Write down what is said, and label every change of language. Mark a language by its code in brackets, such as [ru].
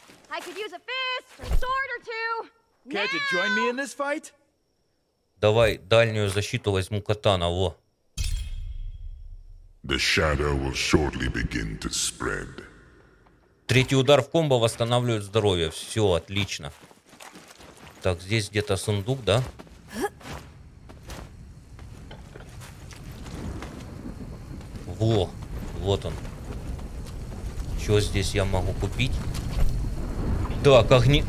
[en] I could use a fist or sword or two. Can't you join me in this fight? [ru] Давай дальнюю защиту возьму катана, во. [en] The shadow will shortly begin to spread. [ru] Третий удар в комбо восстанавливает здоровье. Все, отлично. Так, здесь где-то сундук, да? Во, вот он. Что здесь я могу купить? Так, огни...